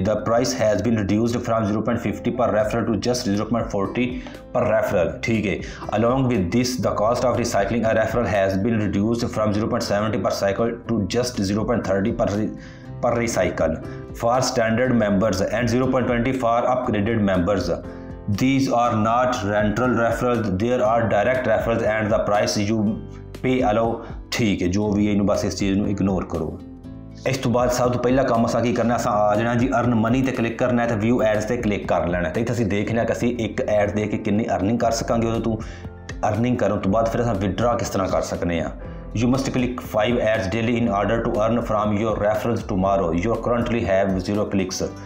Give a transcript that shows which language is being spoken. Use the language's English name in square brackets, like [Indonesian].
[English] the price has been reduced from 0.50 per referral to just 0.40 per referral, [Punjabi] ਠੀਕ ਹੈ। [English] Along with this, the cost of recycling a referral has been reduced from 0.70 per cycle to just 0.30 per recycle for standard members and 0.20 for upgraded members. These are not rental referrals, there are direct referrals and the price you pay allow, [Punjabi] ਠੀਕ ਹੈ। ਜੋ ਵੀ ਇਹਨੂੰ ਬਸ ਇਸ ਚੀਜ਼ ਨੂੰ ignore ਕਰੋ। ਇਸ ਤੋਂ ਬਾਅਦ ਸਭ ਤੋਂ ਪਹਿਲਾਂ ਕੰਮ ਅਸਾਂ ਕੀ ਕਰਨਾ, ਅਸਾਂ ਆ ਜਾਣਾ ਜੀ ਅਰਨ ਮਨੀ 'ਤੇ ਕਲਿੱਕ ਕਰਨਾ, ਅਤੇ ਵਿਊ ਐਡਸ 'ਤੇ ਕਲਿੱਕ ਕਰ ਲੈਣਾ। ਅਤੇ ਇੱਥੇ ਅਸੀਂ ਦੇਖ ਲਿਆ ਕਿ ਅਸੀਂ ਇੱਕ ਐਡ ਦੇ ਕੇ ਕਿੰਨੀ ਅਰਨਿੰਗ ਕਰ ਸਕਾਂਗੇ ਉਹਦੇ ਤੋਂ, ਅਰਨਿੰਗ ਕਰਨ ਤੋਂ ਬਾਅਦ ਫਿਰ ਅਸੀਂ ਵਿਦਡਰਾਅ ਕਿਸ ਤਰ੍ਹਾਂ ਕਰ ਸਕਦੇ ਹਾਂ। [English] You must click 5 ads daily in order to earn from your referrals tomorrow, your currently have 0 clicks.